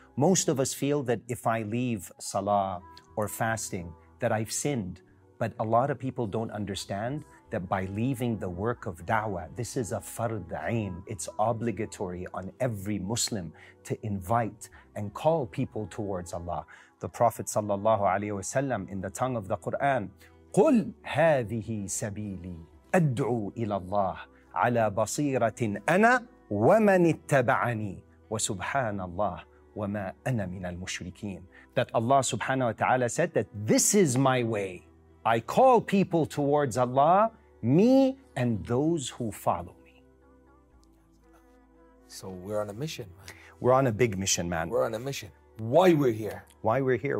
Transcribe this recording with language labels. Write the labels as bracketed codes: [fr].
[en] Most of us feel that if I leave salah or fasting, that I've sinned. But a lot of people don't understand that by leaving the work of da'wah, this is a fard ayn. It's obligatory on every Muslim to invite and call people towards Allah. The Prophet sallallahu alayhi wasallam in the tongue of the Quran, [ar] قُلْ هَذِهِ سَبِيلِي أَدْعُوا إِلَى اللَّهِ عَلَى بَصِيرَةٍ أَنَا وَمَنِ اتَّبَعَنِي وَسُبْحَانَ اللَّهِ وَمَا أَنَا مِنَ الْمُشْرِكِينَ. [en] That Allah subhanahu wa ta'ala said that this is my way. I call people towards Allah, me and those who follow me. So we're on a mission, man. We're on a big mission, man. We're on a mission. Why we're here? Why we're here?